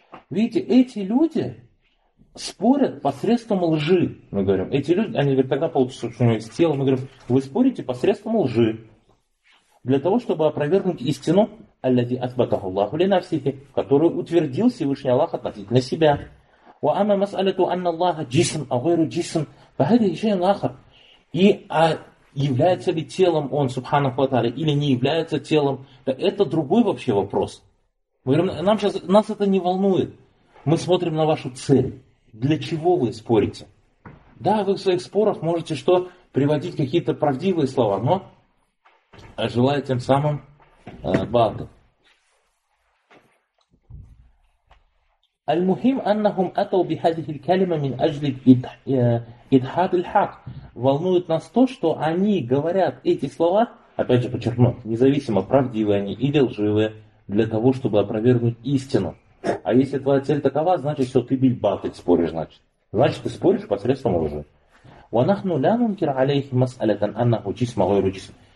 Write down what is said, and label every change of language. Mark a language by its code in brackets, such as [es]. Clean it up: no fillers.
[ru] Видите, эти люди спорят посредством лжи. Мы говорим, эти люди, они говорят, тогда получится, что у него есть тело. Мы говорим, вы спорите посредством лжи. Для того, чтобы опровергнуть истину, [ar] аллази асбатаху Аллаху ли нафсихи, [ru] которую утвердил Всевышний Аллах относительно себя. [ar] وأما مسألة أن الله جسم أو غير جسم فهذه شيء آخر. [ru] И является ли телом он, субханаху ва тааля, или не является телом, это другой вообще вопрос. Мы говорим, нам сейчас, нас это не волнует. Мы смотрим на вашу цель. Для чего вы спорите? Да, вы в своих спорах можете что? Приводить какие-то правдивые слова, но желая тем самым бады. [ar] المهم أنهم أتوا بهذه الكلمة من أجل إدحاد الحق. [ru] Волнует нас то, что они говорят эти слова, опять же подчеркну, независимо правдивые они или лживые, для того, чтобы опровергнуть истину. А если твоя цель такова, значит все, ты бильбатыль споришь, значит. Значит, ты споришь посредством лжи. [ar] وَنَحْنُ لَا نُنْكِرْ عَلَيْهِ مَسْأَلَةً أَنَّهُ جِسْمَ غَيْرُ جِسْمَ.